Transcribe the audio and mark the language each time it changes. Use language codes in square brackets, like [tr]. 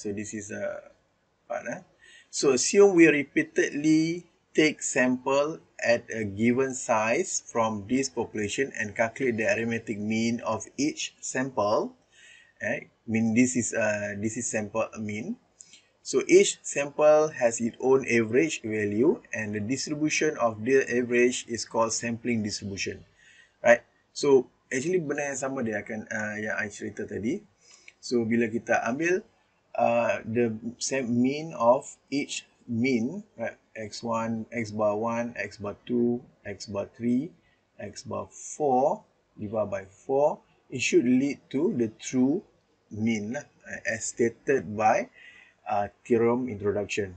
[en] So this is a part, eh? So assume we repeatedly take sample at a given size from this population and calculate the arithmetic mean of each sample, right? Mean this is sample mean. So each sample has its own average value and the distribution of the average is called sampling distribution, right? So actually [ms] benda yang sama dia akan yang I cerita tadi. [en] So [ms] bila kita ambil [en] the mean of each mean, right? X1, X bar 1, X bar 2, X bar 3, X bar 4 divided by 4, it should lead to the true mean as stated by theorem introduction.